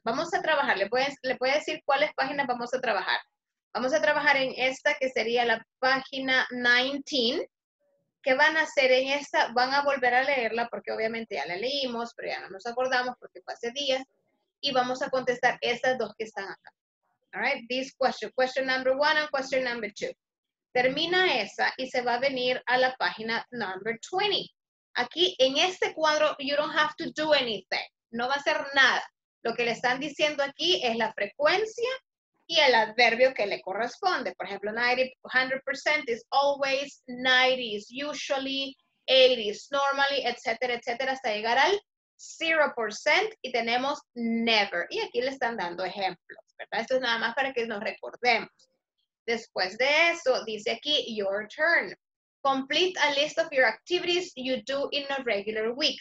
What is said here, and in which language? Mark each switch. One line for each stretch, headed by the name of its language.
Spanish: Vamos a trabajar, le voy a decir cuáles páginas vamos a trabajar. Vamos a trabajar en esta que sería la página 19. ¿Qué van a hacer en esta? Van a volver a leerla porque obviamente ya la leímos, pero ya no nos acordamos porque fue hace días. Y vamos a contestar estas dos que están acá.
English: All right, this question, question number one and question number two.
Spanish: Termina esa y se va a venir a la página number 20. Aquí en este cuadro,
English: you don't have to do anything.
Spanish: No va a hacer nada. Lo que le están diciendo aquí es la frecuencia y el adverbio que le corresponde. Por ejemplo, 90%
English: is always,
Spanish: 90
English: is usually,
Spanish: 80
English: is normally,
Spanish: etcétera, etcétera, hasta llegar al 0% y tenemos never. Y aquí le están dando ejemplos, ¿verdad? Esto es nada más para que nos recordemos. Después de eso, dice aquí,
English: your turn. Complete a list of your activities you do in a regular week.